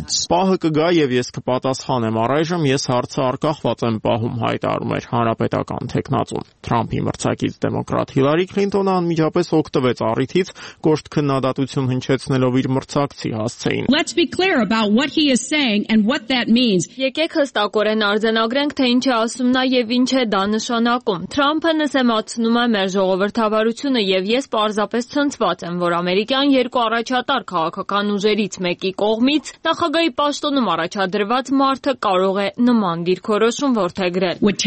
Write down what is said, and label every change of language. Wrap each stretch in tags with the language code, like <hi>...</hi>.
<hy>Պահը կգա և ես կպատասխանեմ, առայժմ ես հարցը արկախված եմ պահում, հայտարարում է հանրապետական թեկնածուն։ Թրամփի մրցակից դեմոկրատ Հիլարի Քլինտոնը անմիջապես օգտվեց առիթից, կոշտ քննադատություն հնչեցնելով իր մրցակցի հասցեին։</hy> <en>Let's be clear about what he is saying and what that means.</en> <hy>Եկեք հստակորեն արձանագրենք, թե ինչ է ասում նա եւ ինչ է դա նշանակում։ Թրամփը նսեմացնում է մեր ժողովրդավարությունը եւ ես պարզապես ցնցված եմ, որ ամերիկյան երկու առաջատար քաղաքական ուժերից մեկի կողմից նախագահի պաշտոնում առաջադրված մարդը կարող է նման դիրքորոշում որդեգրել։</hy>